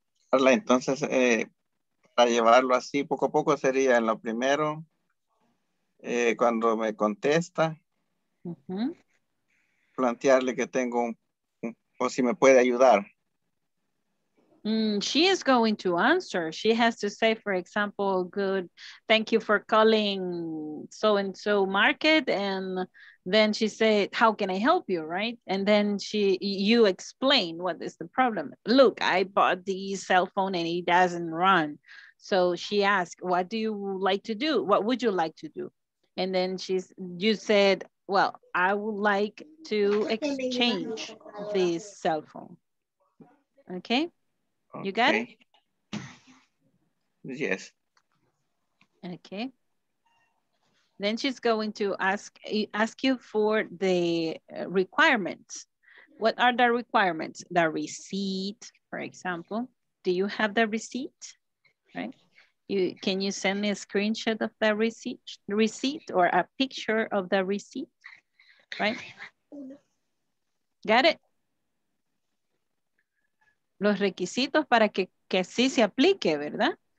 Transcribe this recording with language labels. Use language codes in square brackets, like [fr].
[es] Carla, entonces para llevarlo así poco a poco sería en lo primero cuando me contesta. Mm-hmm. Plantearle que tengo o si me puede ayudar. [en] She is going to answer. She has to say, for example, good, thank you for calling so and so market. And then she said, how can I help you, right? And then you explain what is the problem. Look, I bought the cell phone and it doesn't run. So she asked, what do you like to do? What would you like to do? And then you said, well, I would like to exchange this cell phone. Okay? You got it? Yes. Okay. Then she's going to ask you for the requirements. What are the requirements? The receipt, for example. Do you have the receipt? Right? Can you send me a screenshot of the receipt or a picture of the receipt, right? Got it? [es] Los requisitos para que así se aplique, ¿verdad?